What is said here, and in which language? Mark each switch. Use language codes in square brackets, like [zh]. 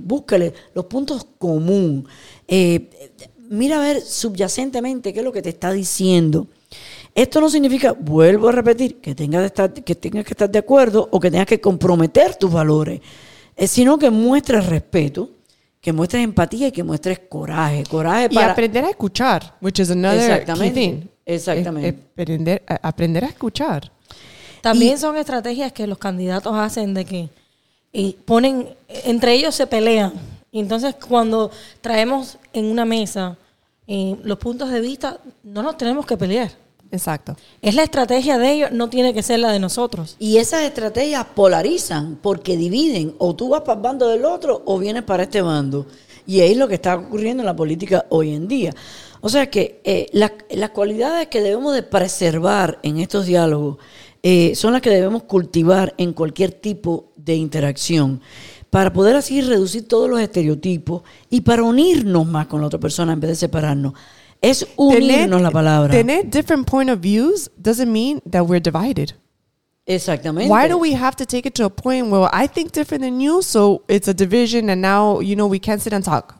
[es] Búscale los puntos común. Mira a ver subyacentemente qué es lo que te está diciendo. Esto no significa, vuelvo a repetir, que tengas que estar de acuerdo o que tengas que comprometer tus valores, sino que muestres respeto, que muestres empatía y que muestres coraje. Coraje y para aprender a escuchar, [en] which is another key thing. [es] Exactamente. Aprender a escuchar. También son estrategias que los candidatos hacen de que ponen, entre ellos se pelean. Y entonces cuando traemos en una mesa los puntos de vista, no nos tenemos que pelear. Exacto. Es la estrategia de ellos, no tiene que ser la de nosotros. Y esas estrategias polarizan porque dividen. O tú vas para el bando del otro o vienes para este bando. Y ahí es lo que está ocurriendo en la política hoy en día. O sea que las cualidades que debemos de preservar en estos diálogos son las que debemos cultivar en cualquier tipo de interacción, para poder así reducir todos los estereotipos y para unirnos más con la otra persona en vez de separarnos. Es unirnos la palabra. Tener [en] different point of views doesn't mean that we're divided. [es] Exactamente. [en] Why do we have to take it to a point where I think different than you, so it's a division and now, you know, we can't sit and talk?